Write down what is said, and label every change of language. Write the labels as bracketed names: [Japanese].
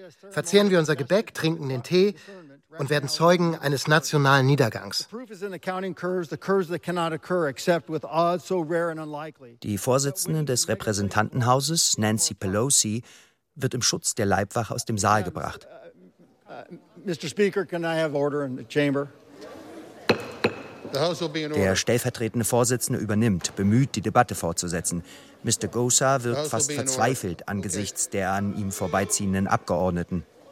[German] Verzehren wir unser Gebäck, trinken den Tee und werden Zeugen eines nationalen Niedergangs. Die Vorsitzende des Repräsentantenhauses, Nancy Pelosi, wird im Schutz der Leibwache aus dem Saal gebracht. [English] Mr. Speaker, can I have order in the chamber? [German] Der stellvertretende Vorsitzende übernimmt, bemüht, die Debatte fortzusetzen. Mr. Gosar wirkt fast verzweifelt angesichts der an ihm vorbeiziehenden Abgeordneten.